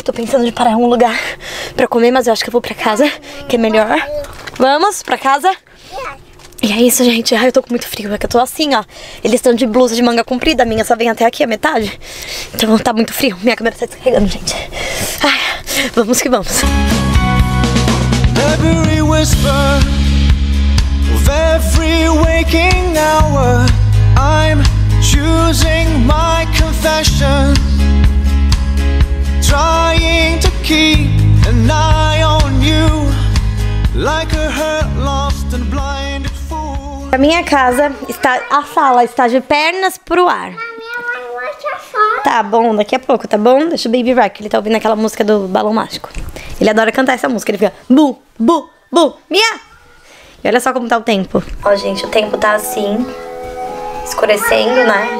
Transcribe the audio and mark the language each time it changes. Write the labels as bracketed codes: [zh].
[pt] Tô pensando de parar em um lugar pra comer, mas eu acho que eu vou pra casa, que é melhor. Vamos pra casa? E é isso, gente. Ai, eu tô com muito frio, é que eu tô assim, ó. Eles estão de blusa de manga comprida, a minha só vem até aqui, a metade. Então tá muito frio, minha câmera tá descarregando, gente. Ai, vamos que vamos. [en] Every whisper of every waking hour, I'm choosing my confession, trying to keep an eye on you, like a hurt, lost and blind fool. [pt] A minha casa está, a sala está de pernas pro ar. Tá bom, daqui a pouco, tá bom? Deixa o Baby Rock, ele tá ouvindo aquela música do Balão Mágico. Ele adora cantar essa música, ele fica bu, bu, bu, mia! E olha só como tá o tempo. Ó, gente, o tempo tá assim, escurecendo, né?